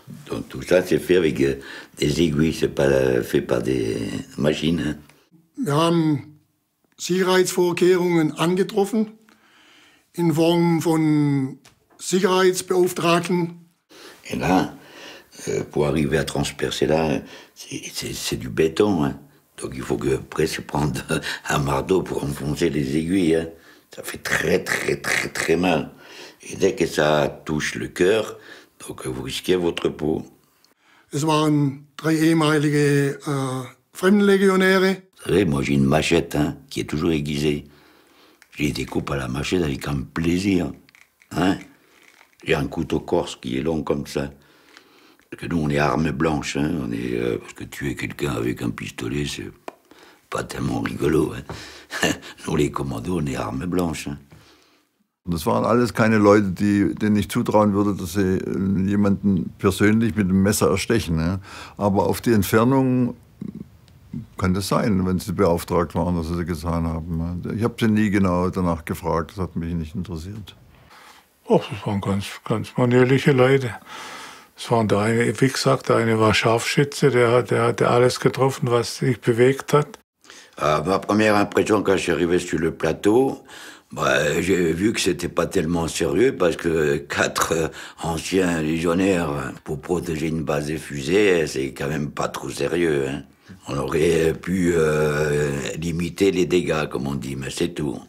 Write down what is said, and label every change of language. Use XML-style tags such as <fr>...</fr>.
<fr>Donc tout ça c'est fait avec des aiguilles, c'est pas fait par des machines. Hein?</fr> <de>Wir haben Sicherheitsvorkehrungen angetroffen in Form von Sicherheitsbeauftragten.</de> <fr>Et là, pour arriver à transpercer là, c'est du béton. Hein? Donc il faut que presque prendre un marteau pour enfoncer les aiguilles. Hein? Ça fait très très très très mal. Et dès que ça touche le cœur, donc vous risquez votre peau.</fr> <de>Es waren 3 ehemalige Fremdenlegionäre.</de> <fr>Vous savez, moi j'ai une machette hein, qui est toujours aiguisée. Je les découpe à la machette avec un plaisir. Hein? J'ai un couteau corse qui est long comme ça. Parce que nous, on est armée blanche, hein. On est, parce que tuer quelqu'un avec un pistolet, c'est pas tellement rigolo, hein. Nous, les commandos, on est armée blanche, hein.</fr> <de>Das waren alles keine Leute, die, denen ich zutrauen würde, dass sie jemanden persönlich mit dem Messer erstechen. Ja. Aber auf die Entfernung kann das sein, wenn sie beauftragt waren, dass sie das getan haben. Ja. Ich habe sie nie genau danach gefragt, das hat mich nicht interessiert. Ach, das waren ganz, ganz manierliche Leute. Es waren der eine, wie gesagt, der eine war Scharfschütze, der hatte alles getroffen, was sich bewegt hat.</de> <fr>Ma première impression, quand je suis arrivé sur le plateau, bah, j'ai vu que c'était pas tellement sérieux parce que quatre anciens légionnaires pour protéger une base des fusées, c'est quand même pas trop sérieux. Hein. On aurait pu limiter les dégâts, comme on dit, mais c'est tout.</fr>